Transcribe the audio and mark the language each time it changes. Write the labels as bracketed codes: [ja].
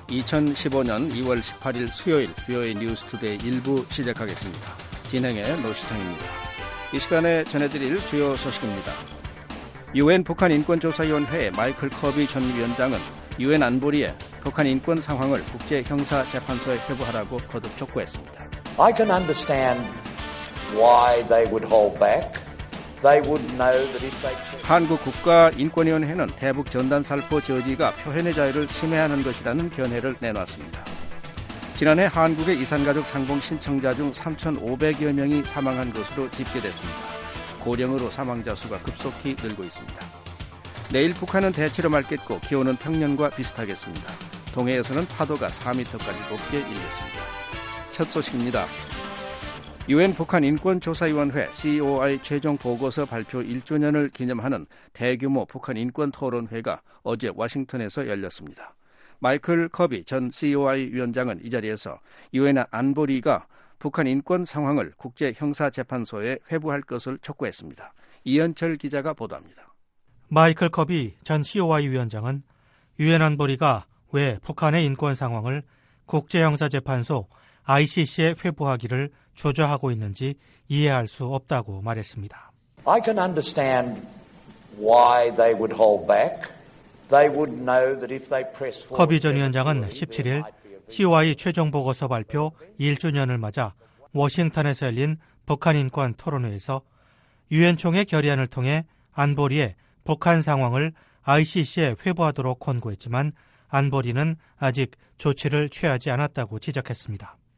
[ko] 2015년 2월 18일 수요일 VOA 뉴스 투데이 1부 시작하겠습니다. 진행의 노시청입니다. 이 시간에 전해드릴 주요 소식입니다. 유엔 북한인권조사위원회의 마이클 커비 전 위원장은 유엔 안보리에 북한 인권 상황을 국제형사재판소에 회부하라고 거듭 촉구했습니다. [en] I can understand why they would hold back. They would know that if they [ko] 한국 국가인권위원회는 대북 전단 살포 저지가 표현의 자유를 침해하는 것이라는 견해를 내놨습니다. 지난해 한국의 이산가족 상봉 신청자 중 3,500여 명이 사망한 것으로 집계됐습니다. 고령으로 사망자 수가 급속히 늘고 있습니다. 내일 북한은 대체로 맑겠고 기온은 평년과 비슷하겠습니다. 동해에서는 파도가 4m까지 높게 일겠습니다. 첫 소식입니다. 유엔 북한인권조사위원회 COI 최종 보고서 발표 1주년을 기념하는 대규모 북한인권토론회가 어제 워싱턴에서 열렸습니다. 마이클 커비 전 COI 위원장은 이 자리에서 유엔 안보리가 북한 인권 상황을 국제형사재판소에 회부할 것을 촉구했습니다. 이현철 기자가 보도합니다. 마이클 커비 전 COI 위원장은 유엔 안보리가 왜 북한의 인권 상황을 국제형사재판소 ICC에 회부하기를 조조하고 있는지 이해할 수 없다고 말했습니다. [en] I can understand why they would hold back. They would know that if they press forward. [ko] 커비 전 위원장은 17일 COI 최종 보고서 발표 1주년을 맞아 워싱턴에서 열린 북한 인권 토론회에서 유엔 총회 결의안을 통해 안보리에 북한 상황을 ICC에 회부하도록 권고했지만 안보리는 아직 조치를 취하지 않았다고 지적했습니다.